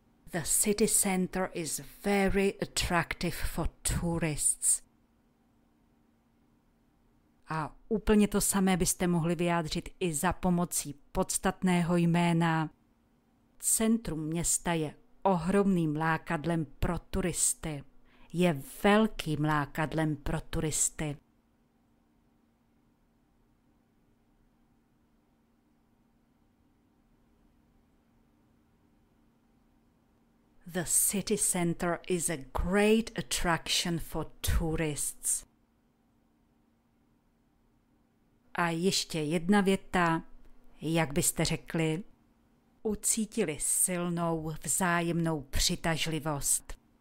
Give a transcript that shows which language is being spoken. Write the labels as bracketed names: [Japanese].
[English] The city center is very attractive for tourists. [Czech] A úplně to samé byste mohli vyjádřit i za pomocí podstatného jména. Centrum města je ohromným lákadlem pro turisty. Je velkým lákadlem pro turisty. [English] The The city center is a great attraction for tourists. [Czech] A ještě jedna věta, jak byste řekli? Ucítili silnou vzájemnou přitažlivost.